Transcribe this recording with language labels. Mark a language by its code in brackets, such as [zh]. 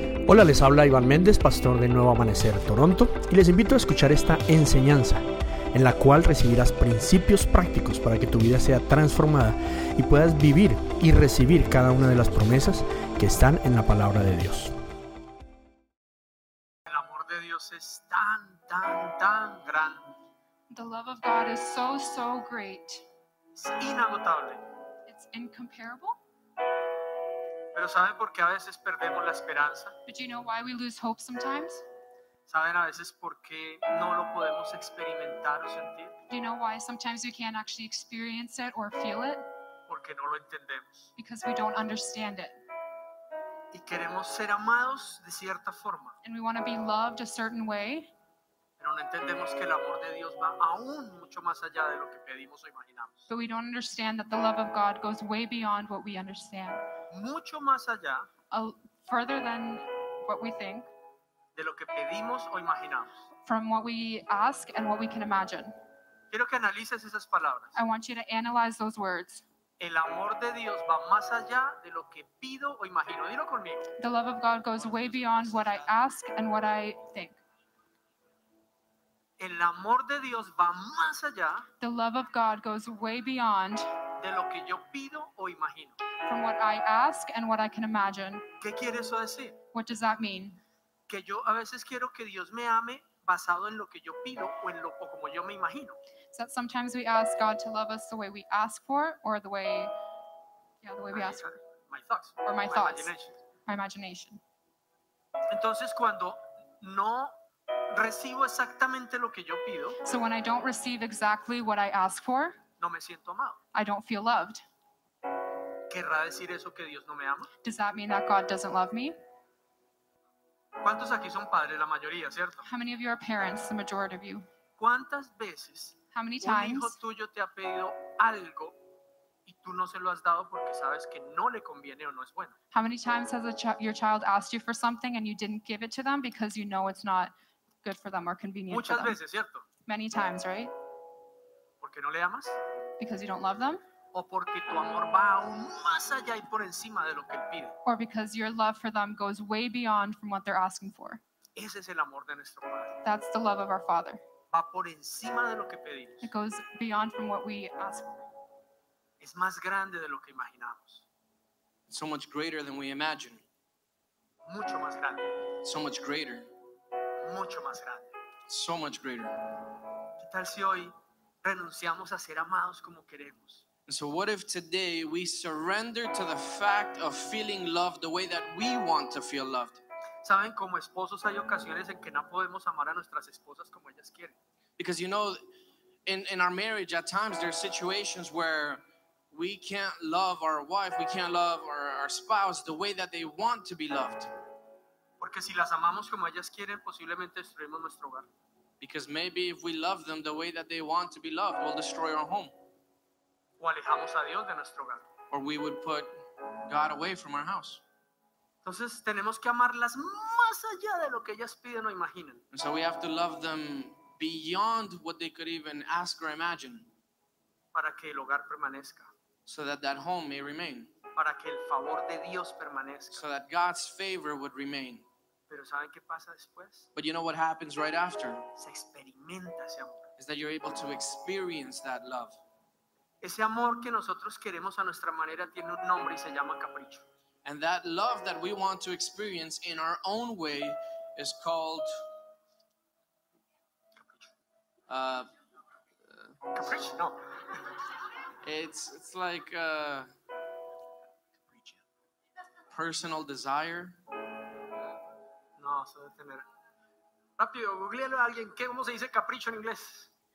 [es] Hola, les habla Iván Méndez, pastor de Nuevo Amanecer, Toronto, y les invito a escuchar esta enseñanza, en la cual recibirás principios prácticos para que tu vida sea transformada y puedas vivir y recibir cada una de las promesas que están en la palabra de Dios. El amor de Dios es tan grande. [en] The love of God is so great. [es] Es inagotable. [en] It's incomparable. [es] Pero ¿saben por qué a veces perdemos la esperanza? [en] But you know why we lose hope sometimes? [es] ¿Saben a veces por qué no lo podemos experimentar o sentir? [en] Do you know why sometimes we can't actually experience it or feel it? [es] Porque no lo entendemos. [en] Because we don't understand it. [es] Y queremos ser amados de cierta forma. [en] And we want to be loved a certain way. [es] Pero no entendemos que el amor de Dios va aún mucho más allá de lo que pedimos o imaginamos. [en] But we don't understand that the love of God goes way beyond what we understand. [es] Mucho más allá, [en] further than what we think, [es] de lo que pedimos o imaginamos, [en] from what we ask and what we can imagine. [es] Quiero que analices esas palabras. [en] I want you to analyze those words. [es] El amor de Dios va más allá de lo que pido o imagino. Dilo conmigo. [en] The love of God goes way beyond what I ask and what I think. [es] El amor de Dios va más allá. [en] The love of God goes way beyond [es] de lo que yo pido o imagino. [en] From what I ask and what I can imagine. [es] ¿Qué quiere eso decir? [en] What does that mean? [es] Que yo a veces quiero que Dios me ame basado en lo que yo pido o en lo o como yo me imagino. [en] So that sometimes we ask God to love us the way we ask for or the way we ask for. My thoughts. Or my thoughts. Imagination. My imagination. [es] Entonces cuando no recibo exactamente lo que yo pido. [en] So when I don't receive exactly what I ask for. [es] No me siento amado. [en] I don't feel loved. [es] ¿Querrá decir eso que Dios no me ama? [en] Does that mean that God doesn't love me? [es] ¿Cuántos aquí son padres? La mayoría, ¿cierto? [en] How many of you are parents? The majority of you. [es] ¿Cuántas veces [en] How many times [es] un hijo tuyo te ha pedido algo y tú no se lo has dado porque sabes que no le conviene o no es bueno? [en] How many times has your child asked you for something and you didn't give it to them because you know it's not good for them or convenient [es] Muchas [en] for them? [es] Muchas veces, ¿cierto? [en] Many times, right? [es] ¿Porque no le amas? [en] Because you don't love them? [es] O porque tu amor va aún más allá y por encima de lo que él pide. [en] Or because your love for them goes way beyond from what they're asking for. [es] Ese es el amor de nuestro Padre. [en] That's the love of our Father. [es] Va por encima de lo que pedimos. [en] It goes beyond from what we ask for. [es] Es más grande de lo que imaginamos. [en] So much greater than we imagine. [es] Mucho más grande. [en] So much greater. [es] Mucho más grande. [en] So much greater. [es] ¿Qué tal si hoy renunciamos a ser amados como queremos? [en] So what if today we surrender to the fact of feeling loved the way that we want to feel loved? [es] ¿Saben? Como esposos hay ocasiones en que no podemos amar a nuestras esposas como ellas quieren. [en] Because you know, in our marriage at times there are situations where we can't love our wife, we can't love our spouse the way that they want to be loved. [es] Porque si las amamos como ellas quieren, posiblemente destruimos nuestro hogar. [en] Because maybe if we love them the way that they want to be loved, we'll destroy our home. [es] O alejamos a Dios de nuestro hogar. [en] Or we would put God away from our house. [es] Entonces tenemos que amarlas más allá de lo que ellas piden o imaginan. [en] And so we have to love them beyond what they could even ask or imagine. [es] Para que el hogar permanezca. [en] So that home may remain. [es] Para que el favor de Dios permanezca. [en] So that God's favor would remain. [es] Pero ¿saben qué pasa después? [en] But you know what happens right after? [es] Se experimenta ese amor. [en] Is that you're able to experience that love. [es] Ese amor que nosotros queremos a nuestra manera tiene un nombre y se llama capricho. [en] And that love that we want to experience in our own way is called [es] capricho. No. [en] It's like a personal desire. [es] No, se debe tener. Rápido, googlealo a alguien. ¿Qué cómo se dice capricho en inglés?